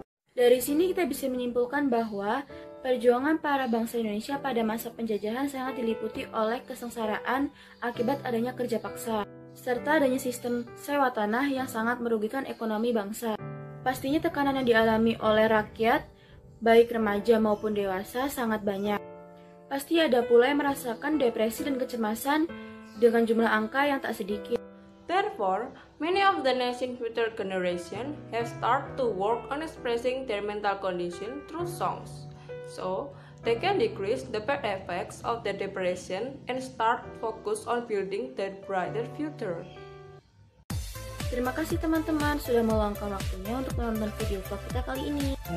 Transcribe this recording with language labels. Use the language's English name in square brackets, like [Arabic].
[Indonesian] Dari sini kita bisa menyimpulkan bahwa perjuangan para bangsa Indonesia pada masa penjajahan sangat diliputi oleh kesengsaraan akibat adanya kerja paksa, serta adanya sistem sewa tanah yang sangat merugikan ekonomi bangsa. Pastinya tekanan yang dialami oleh rakyat, baik remaja maupun dewasa, sangat banyak. Pasti ada pula yang merasakan depresi dan kecemasan dengan jumlah angka yang tak sedikit. [English] Therefore, many of the nation's future generation have started to work on expressing their mental condition through songs, so they can decrease the bad effects of their depression and start focus on building their brighter future. [Indonesian] Terima kasih teman-teman sudah meluangkan waktunya untuk menonton video vlog kita kali ini.